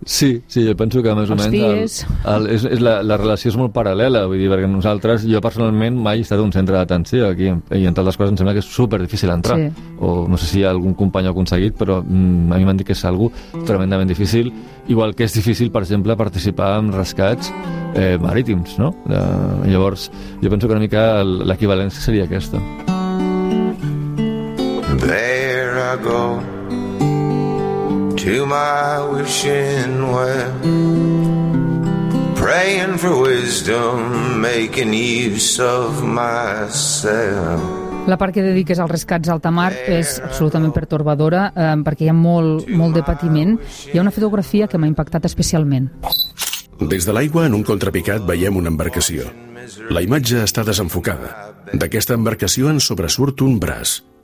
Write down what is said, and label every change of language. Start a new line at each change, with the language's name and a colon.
Catalan: Sí, jo penso que més o menys la relació és molt paral·lela, vull dir, perquè nosaltres, jo personalment mai he estat a un centre de detenció aquí, i entre altres coses em sembla que és super difícil entrar. Sí. O no sé si algun company ha aconseguit, però a mi m'han dit que és algo tremendament difícil, igual que és difícil, per exemple, participar en rescats marítims, no? Llavors, jo penso que una mica l'equivalència seria aquesta.
English: There I go to my wishing well, praying for wisdom, making use of myself.
Catalan: La part que dediques als rescats alta mar és absolutament pertorbadora, perquè hi ha molt de patiment. Hi ha una fotografia que m'ha impactat especialment. Des de l'aigua, en un contrapicat, veiem una embarcació. La imatge està desenfocada. D'aquesta embarcació en sobresurt un braç.